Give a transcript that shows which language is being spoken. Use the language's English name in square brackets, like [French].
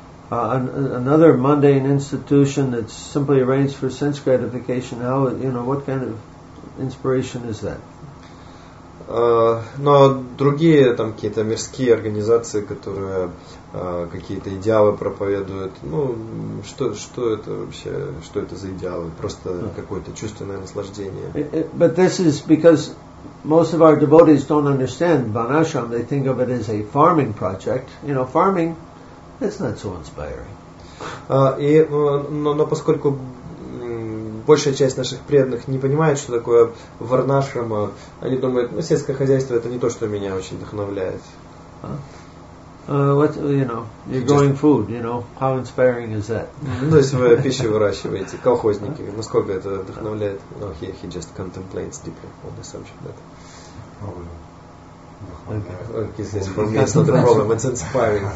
[English] Another mundane institution that's simply arranged for sense gratification, how, you know, what kind of inspiration is that? [Russian] Но другие там какие-то мирские организации, которые какие-то идеалы проповедуют, ну, что это вообще, что это за идеалы? Просто какое-то чувственное наслаждение. [English] But this is because most of our devotees don't understand Vanashram. They think of it as a farming project. You know, farming, it's not so inspiring. [Russian] Но поскольку большая часть наших преданных не понимает, что такое варнашрама, они думают, ну, сельское хозяйство — это не то, что меня очень вдохновляет. [English] What, you know, you're growing food, you know, how inspiring is that? [Russian] То есть вы пищу выращиваете, колхозники, насколько это вдохновляет? [English] No, he just contemplates deeply on the subject. Okay. Okay, so for me it's not a problem, it's inspiring.